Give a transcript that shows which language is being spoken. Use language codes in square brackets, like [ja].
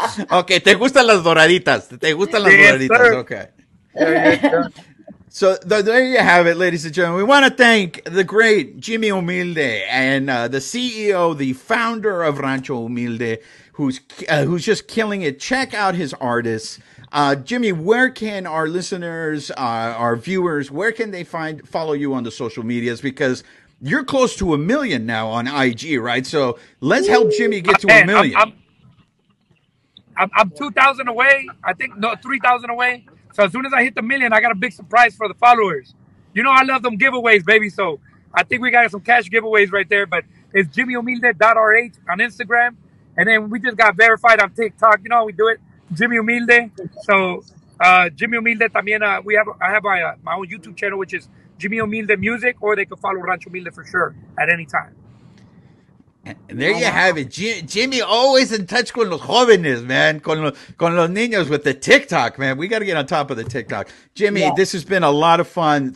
[es] Okay, te gustan las doraditas. Te gustan las doraditas. [en] Sir. Okay. So there you have it, ladies and gentlemen. We want to thank the great Jimmy Humilde and the CEO, the founder of Rancho Humilde, who's just killing it. Check out his artists. Jimmy, where can our listeners, our viewers, where can they follow you on the social medias? Because you're close to a million now on IG, right? So let's help Jimmy get to a million. I'm 2,000 away. I think, no, 3,000 away. So as soon as I hit the million, I got a big surprise for the followers. You know, I love them giveaways, baby. So I think we got some cash giveaways right there. But it's JimmyHumilde.rh on Instagram. And then we just got verified on TikTok. You know how we do it? Jimmy Humilde. So Jimmy Humilde [es] también. [en] I have my own YouTube channel, which is Jimmy Humilde Music. Or they can follow Rancho Humilde for sure at any time. And there you have it. Jimmy always in touch [es] con los jóvenes, [en] man. [es] Con los niños [en] with the TikTok, man. We got to get on top of the TikTok. Jimmy, yeah. This has been a lot of fun.